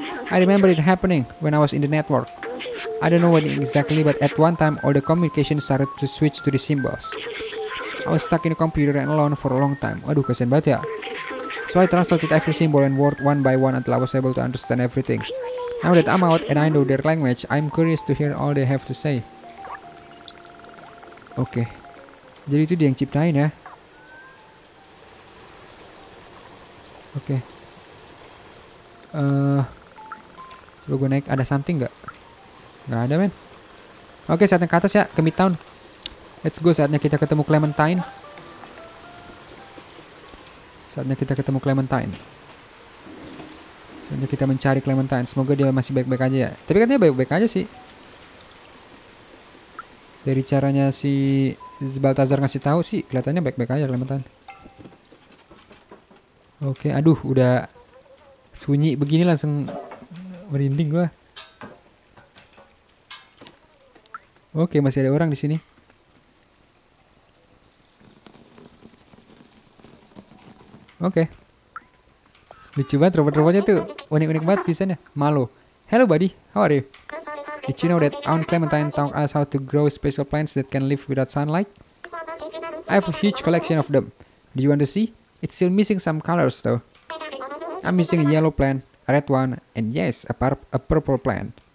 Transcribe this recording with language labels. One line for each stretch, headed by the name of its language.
English: I remember it happening when I was in the network. I don't know what exactly, but at one time all the communication started to switch to the symbols. I was stuck in the computer and alone for a long time.
Indonesian: Aduh, kasian banget ya.
English: So I translated every symbol and word one by one until I was able to understand everything. Now that I'm out and I know their language, I'm curious to hear all they have to say. Oke. Okay.
Indonesian: Jadi itu dia yang ciptain ya. Oke. Okay. Coba gue naik, ada something nggak? Gak ada men. Oke saatnya ke atas ya. Ke Midtown.
English: Let's go.
Indonesian: Saatnya kita ketemu Clementine. Saatnya kita ketemu Clementine. Saatnya kita mencari Clementine. Semoga dia masih baik-baik aja ya. Tapi katanya baik-baik aja sih. Dari caranya si Baltazar ngasih tahu sih. Kelihatannya baik-baik aja Clementine. Oke aduh udah. Sunyi begini langsung. Merinding gua. Oke, masih ada orang di sini. Oke. Lucu banget robot-robotnya tuh. Unik-unik banget desainnya.
English: Malu. Hello, buddy. How are you? Did you know that Aunt Clementine taught us how to grow special plants that can live without sunlight? I have a huge collection of them. Do you want to see? It's still missing some colors, though. I'm missing a yellow plant, a red one, and yes, a purple plant.